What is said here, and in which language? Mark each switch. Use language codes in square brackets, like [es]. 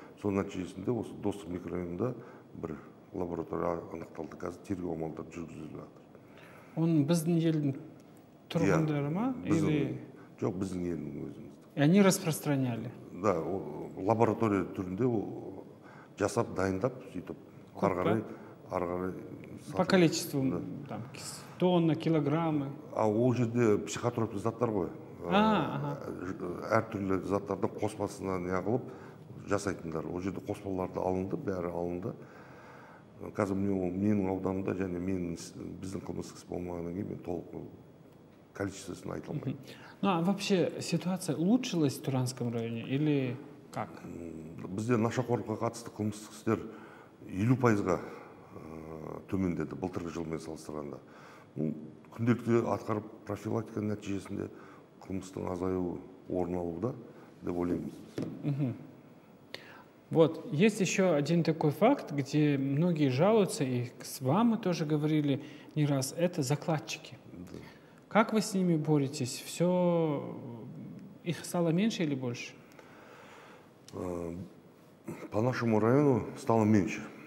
[kk] Соның нәтижесінде осы Достық микрорайонында бір лаборатория анықталды, қазір тергеу амалдары жүргізіліп жатыр. Оның біздің елдің тұрғындары ма? Жоқ, біздің елдің өзімізді. [ru] Они распространяли? [kk] Да, лаборатория түрінде жасап, дайындап, сөйтіп, арғарай сатып. [ru] По количеству, там, тонна, килограммы? [kk] А ол жерде психотроптық заттар ғой. Әртүрлі заттарды қоспасына неғылып жасайтындар. Ол жерде қоспаларды алынды, бәрі алынды. Қазір менің ауданымда және біздің қылмыстық іс болмағаннан кейін мен толық количествосын айта алмаймын. [ru] Ну а вообще ситуация улучшилась в Туранском районе или как? [kk] Бізде нашақорлыққа қатысты қылмыстық істер 50%-ға төмендеді былтырғы жылмен салыстырғанда. Күнделікті атқарып профилактика нәтижесінде қылмыстың азаюы орын алуда деп ойлаймыз. [ru] Вот, есть еще один такой факт, где многие жалуются, и с вами тоже говорили не раз, это закладчики. Да. Как вы с ними боретесь? Все, их стало меньше или больше? По нашему району стало меньше.